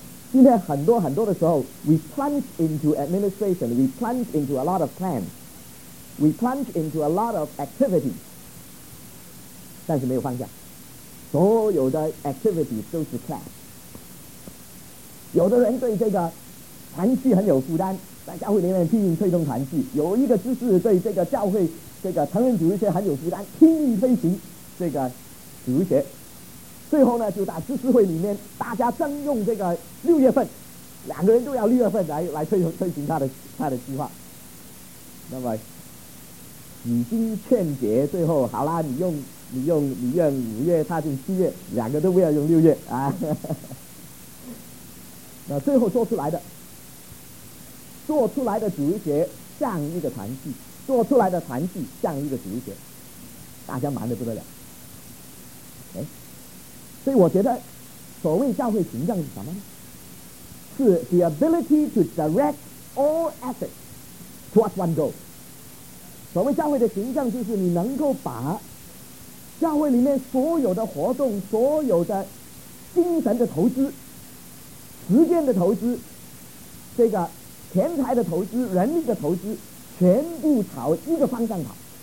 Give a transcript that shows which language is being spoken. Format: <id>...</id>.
<zh>今天很多很多的时候</zh> <en>We plunge into administration, We plunge into a lot of plans, We plunge into a lot of activities,</en> <zh>但是没有方向，所有的</zh> <en>activities</en> <zh>都是</zh> <en>clash。</en> <zh>有的人对这个团契很有负担，在教会里面拼命推动团契，有一个知识对这个教会这个成人主日学很有负担，拼命推行这个主日学，最后呢就在知识会里面大家征用这个六月份，两个人都要六月份来推行他的计划。那么已经劝解，最后好啦，你用五月，他用七月，两个都不要用六月啊。那最后做出来的主日学像一个团契，做出来的团契像一个主日学，大家忙得不得了。所以我觉得所谓教会行政是什么呢？是</zh> <en>the ability to direct all efforts towards one goal。</en> <zh>所谓教会的行政就是你能够把教会里面所有的活动，所有的精神的投资，时间的投资，这个钱财的投资，人力的投资，全部朝一个方向跑。</zh>